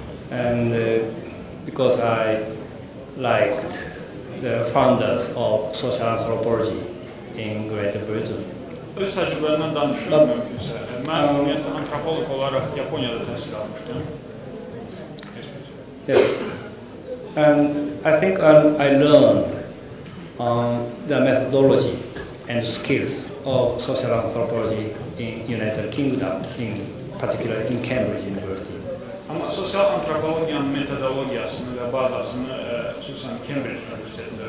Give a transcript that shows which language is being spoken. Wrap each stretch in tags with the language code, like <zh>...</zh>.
<en>And because I liked the founders of social anthropology in Great Britain.</en> <az>Öz təcrübəmdən danışıram mümkünsə. Mən ümumiyyətlə antropolog olaraq Yaponiyada təhsil almışdım.</az> <en>Yes. And I think I learned the methodology and skills of social anthropology in United Kingdom, in particular in Cambridge University.</en> <az>Amma sosial antropologiyanın metodologiyasını və bazasını xüsusən Cambridge Universitetində</az>